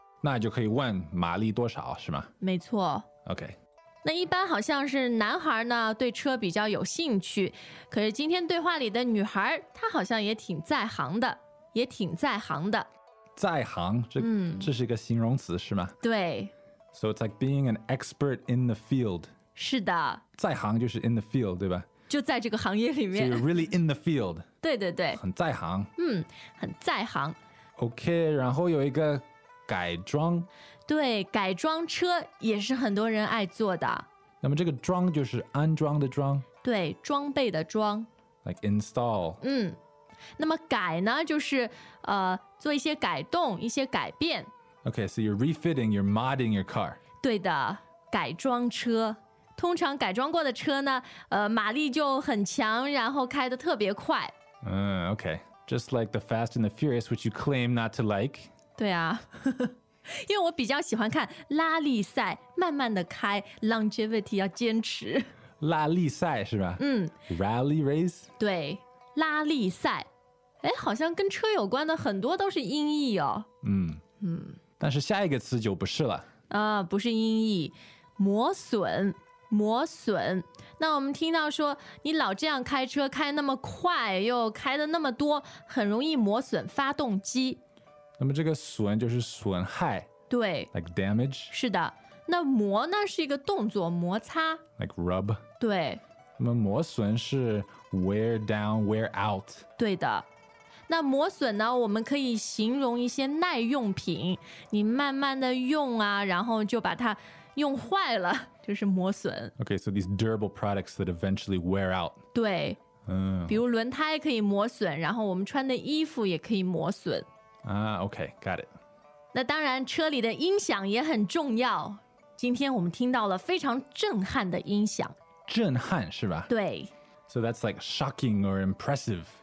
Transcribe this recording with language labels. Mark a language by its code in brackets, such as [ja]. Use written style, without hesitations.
[zh] 那就可以问马力多少是吗？没错。 [en] OK。 [zh] 那一般好像是男孩呢对车比较有兴趣，可是今天对话里的女孩她好像也挺在行的，也挺在行的。在行， 这是一个形容词是吗？对。 [en] So it's like being an expert in the field。 [zh] 是的。在行就是 [en] in the field [zh] 对吧？就在这个行业里面。 [en] So you're really in the field。 [zh] 对对对，很在行。嗯，很在行。 OK， 然后有一个改装。对，改装车也是很多人爱做的。那么这个装就是安装的装。对，装备的装。 [en] Like install。 [zh] 嗯，那么改呢，就是做一些改动，一些改变。 [en] Okay, so you're refitting, you're modding your car. [zh] 对的，改装车。通常改装过的车呢，马力就很强，然后开得特别快。 [en] 嗯 ，Okay, just like the Fast and the Furious, which you claim not to like. [zh] 对啊，因为我比较喜欢看拉力赛，慢慢的开 ，longevity 要坚持。拉力赛是吧？嗯 [en] ，rally race。 [zh] 对，拉力赛，哎，好像跟车有关的很多都是音译哦。嗯嗯，但是下一个词就不是了。不是音译，磨损，磨损。那我们听到说你老这样开车，开那么快，又开的那么多，很容易磨损发动机。那么这个损就是损害。对， [en] like damage。 [zh] 是的。那磨呢，是一个动作，摩擦， [en] like rub。 [zh] 对，那么磨损是 [en] wear down, wear out。 [zh] 对的。那磨损呢，我们可以形容一些耐用品，你慢慢的用啊，然后就把它用坏了，就是磨损。 [en] OK, so these durable products that eventually wear out。 [zh] 对。嗯，比如轮胎可以磨损，然后我们穿的衣服也可以磨损 [en] 啊。OK, got it。 [zh] 那当然车里的音响也很重要，今天我们听到了非常震撼的音响。震撼是吧？对。 [en] So that's like shocking or impressive.